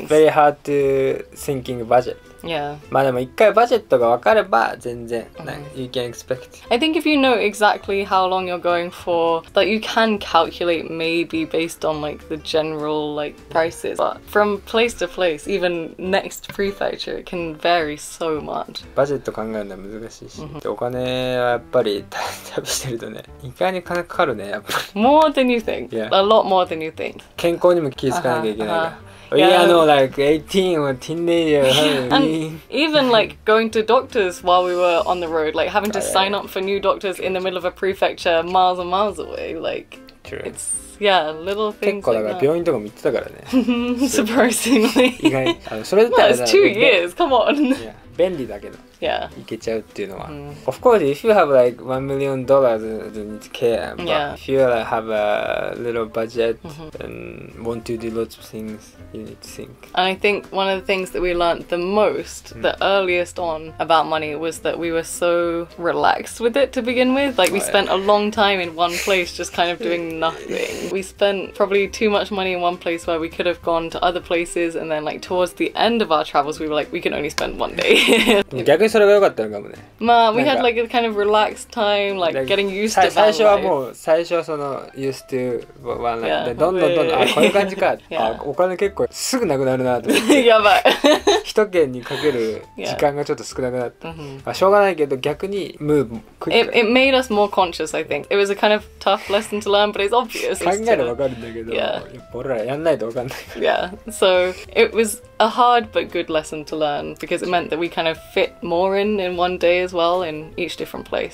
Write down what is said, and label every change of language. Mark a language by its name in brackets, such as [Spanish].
[English] It's very hard to thinking budget. Yeah. [Japanese] でも一回バジェットが分かれば全然、 [English] like, you can expect. I think if you know exactly how long you're going for, that you can calculate maybe based on like the general like prices. But from place to place, even next prefecture, it can vary so much. [Japanese] バジェット考えるのは難しいし、お金はやっぱり旅してるとね、意外に金かかるね、やっぱり。 [English] More than you think. A lot more than you think. [Japanese] 健康にも気づかなきゃいけないから。 [English] Yeah, no, like 18 or teenager. And even like going to doctors while we were on the road, like having to sign up for new doctors in the middle of a prefecture miles and miles away. Like, it's, yeah, little things. [Japanese] 結構だから病院とかも行ってたからね。 [English] Surprisingly. [Japanese] 意外に。それだったら。 [English] Well, it's 2 years, come on. [Japanese] 便利だけど。 [English] Yeah. [Japanese] 行けちゃうっていうのは。 [English] Of course, if you have like $1 million, you don't care. But if you like, have a little budget and want to do lots of things,You need to think. And I think one of the things that we learned the most, the earliest on about money, was that we were so relaxed with it to begin with. Like, we spent a long time in one place just kind of doing nothing. We spent probably too much money in one place where we could have gone to other places, and then, like, towards the end of our travels, we were like, we can only spend one day. [Japanese] 逆にそれが良かったのかもね。まあ、 [English] we had, like, a kind of relaxed time, like, getting used to [Japanese] Vanlife. 最初はもう、最初はその、 [English] used to Vanlife. [Japanese] で、どんどんどんどん、あ、こういう感じか。お金結構すぐなくなるなと思って。やばい。一軒にかける時間がちょっと少なくなった。まあしょうがないけど逆にムーブ。 [English] It made us more conscious, I think. It was a kind of tough lesson to learn, but it's obvious. [Japanese] 考えればわかるんだけど、俺らやんないとわかんない。 [English] Yeah, so it was a hard but good lesson to learn because it meant that we kind of fit more in one day as well in each different place.